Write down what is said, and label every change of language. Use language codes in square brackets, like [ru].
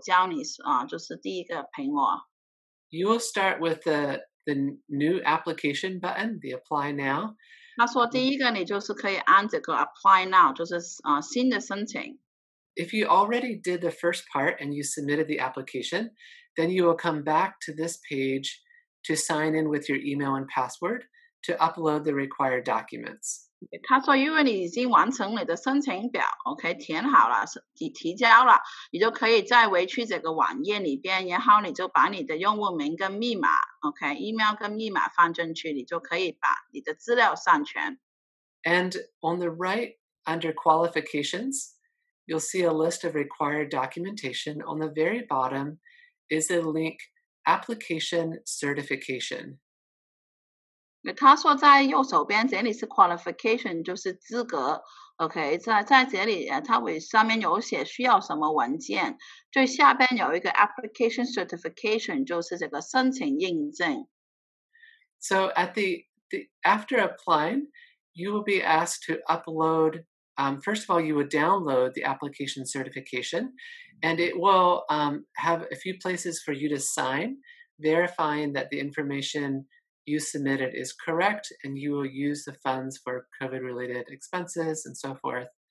[zh] 他就是说,你开了这个几次的话,它里边就是有教你怎么申请,他说第13页,13页就是有教你,就是第一个屏幕。 [en] You will start with the new application button, the apply now. [zh] 他说第一个你就是可以按这个 apply now,就是新的申请。 [en] If you already did the first part and you submitted the application, then you will come back to this page to sign in with your email and password to upload the required documents. [zh] 他说因为你已经完成你的申请表, okay, 填好了,提交了, 你就可以再回去这个网页里边, 然后你就把你的用户名跟密码, okay, email跟密码放进去, 你就可以把你的资料上传。 [en] And on the right, under qualifications, you'll see a list of required documentation. On the very bottom is a link, application certification. [zh] 他说在右手边这里是 qualification 就是资格 OK 在这里它上面有写需要什么文件 最下边有一个 application certification 就是这个申请印证 [en] So at the after applying you will be asked to upload first of all you will download the application certification and it will have a few places for you to sign verifying that the information you submitted is correct, and you will use the funds for COVID-related expenses and so forth.